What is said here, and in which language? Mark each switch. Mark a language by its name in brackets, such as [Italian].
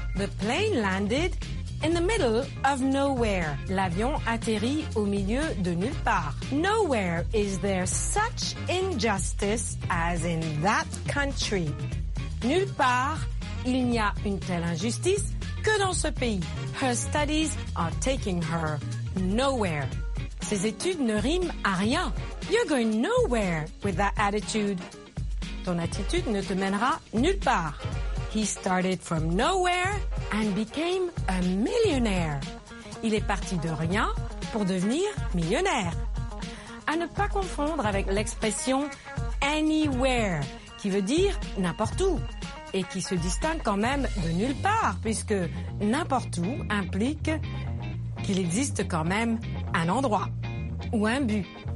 [English] The plane landed in the middle of nowhere. [French] L'avion atterrit au milieu de nulle part. [English] Nowhere is there such injustice as in that country. [French] Nulle part, il n'y a une telle injustice que dans ce pays. [English] Her studies are taking her nowhere. [French] Ses études ne riment à rien. [English] You're going nowhere with that attitude. [French] Ton attitude ne te mènera nulle part. [English] He started from nowhere and became a millionaire. [French] Il est parti de rien pour devenir millionnaire. À ne pas confondre avec l'expression anywhere, qui veut dire n'importe où, et qui se distingue quand même de nulle part, puisque n'importe où implique qu'il existe quand même un endroit ou un but.